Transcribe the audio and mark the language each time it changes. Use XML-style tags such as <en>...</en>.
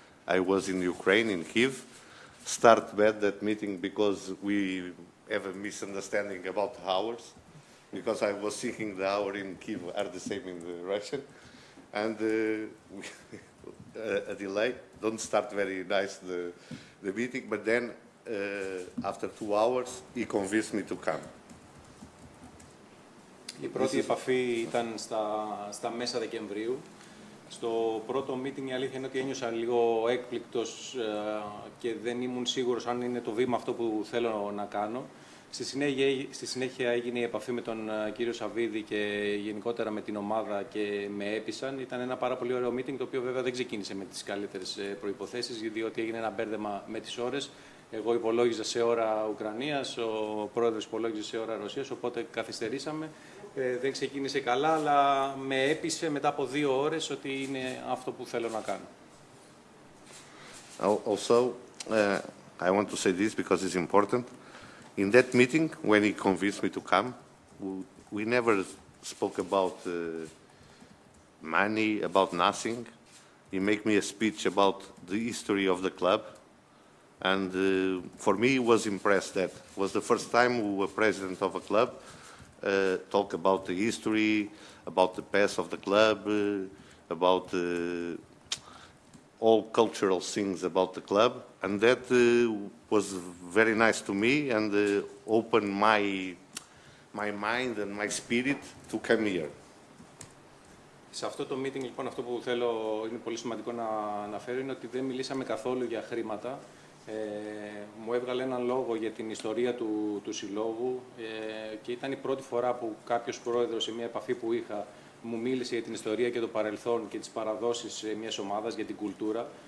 <en>I was in Ukraine, in Kyiv. Start bad that meeting because we have a misunderstanding about the hours, because I was thinking the hour in Kyiv are the same in the Russian, and a delay. Don't start very nice the meeting, but then after 2 hours, he convinced me to come.</en> <el>Η πρώτη επαφή ήταν στα μέσα Δεκεμβρίου. Στο πρώτο meeting η αλήθεια είναι ότι ένιωσα λίγο έκπληκτος και δεν ήμουν σίγουρος αν είναι το βήμα αυτό που θέλω να κάνω. Στη συνέχεια έγινε η επαφή με τον κύριο Σαββίδη και γενικότερα με την ομάδα και με έπεισαν. Ήταν ένα πάρα πολύ ωραίο meeting, το οποίο βέβαια δεν ξεκίνησε με τις καλύτερες προϋποθέσεις, διότι έγινε ένα μπέρδεμα με τις ώρες. Εγώ υπολόγιζα σε ώρα Ουκρανίας, ο πρόεδρος υπολόγιζε σε ώρα Ρωσίας, οπότε καθυστερήσαμε. Δεν ξεκίνησε καλά, αλλά με έπεισε μετά από 2 ώρες ότι είναι αυτό που θέλω να κάνω.</el> <en>Also, I want to say this because it's important. In that meeting, when he convinced me to come, we never spoke about money, about nothing. He made me a speech about the history of the club. And for me, he was impressed that it was the first time we were president of a club, talk about the history, about the past of the club, about all cultural things about the club. And that was very nice to me and opened my mind and my spirit to come here.</en> <el>Σε αυτό το meeting, λοιπόν, αυτό που θέλω είναι πολύ σημαντικό να αναφέρω είναι ότι δεν μιλήσαμε καθόλου για χρήματα. Μου έβγαλε έναν λόγο για την ιστορία του συλλόγου και ήταν η πρώτη φορά που κάποιος πρόεδρος σε μια επαφή που είχα μου μίλησε για την ιστορία και το παρελθόν και τις παραδόσεις μιας ομάδας για την κουλτούρα.</el>